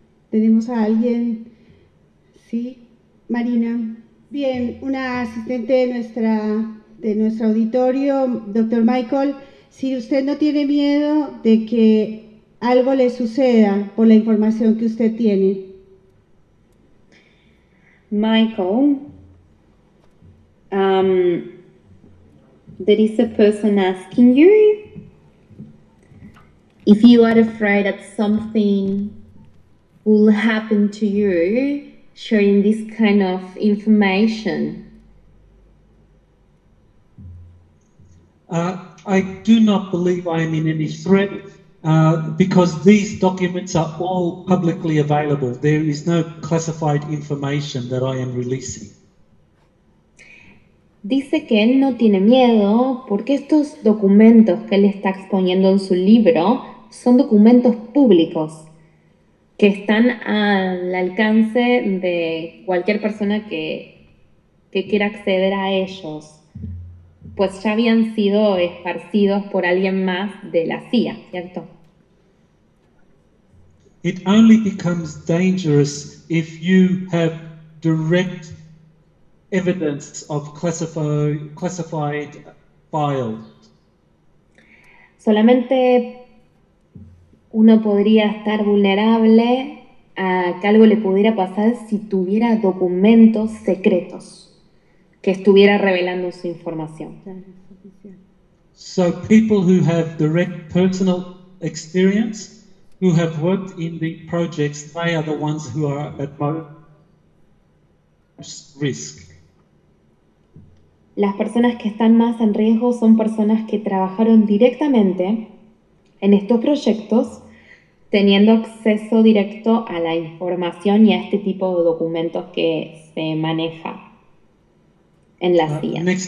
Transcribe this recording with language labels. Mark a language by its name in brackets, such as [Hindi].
[Spanish] ¿Tenemos a alguien? Sí, Marina. Bien, una asistente de nuestro auditorio, doctor Michael, si usted no tiene miedo de que algo le suceda por la información que usted tiene. [English] Michael, there is a person asking you if you are afraid that something will happen to you sharing this kind of information. I do not believe I am in any threat because these documents are all publicly available. There is no classified information that I am releasing. [Spanish] Dice que él no tiene miedo porque estos documentos que él está exponiendo en su libro son documentos públicos que están al alcance de cualquier persona que quiera acceder a ellos, pues ya habían sido esparcidos por alguien más de la CIA, ¿cierto? [English] It only becomes dangerous if you have direct evidence of classified files. [Spanish] Solamente uno podría estar vulnerable a que algo le pudiera pasar si tuviera documentos secretos que estuviera revelando su información. [English] So people who have direct personal experience, who have worked in the projects, they are the ones who are at most risk. [Spanish] Las personas que están más en riesgo son personas que trabajaron directamente en estos proyectos, teniendo acceso directo a la información y a este tipo de documentos que se maneja en la CIA.